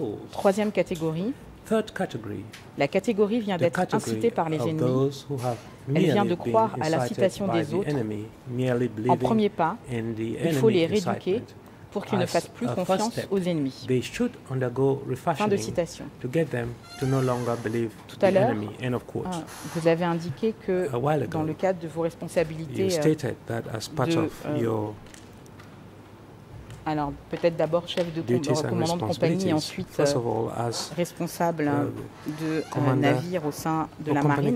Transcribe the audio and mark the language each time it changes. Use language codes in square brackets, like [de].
[fr] Troisième catégorie, la catégorie vient d'être incitée par les ennemis. Elle vient de croire à la citation des autres. En premier pas, il faut les rééduquer pour qu'ils ne fassent plus confiance aux ennemis. [en] They should undergo refashioning to get them to no longer believe [fr] tout à l'heure, [en] the enemy. [fr] Vous avez indiqué que dans le cadre de vos responsabilités, [en] you stated that as part of your [fr] alors peut-être d'abord chef de commandant de compagnie et ensuite [en] all, [fr] responsable de navire au sein de la marine,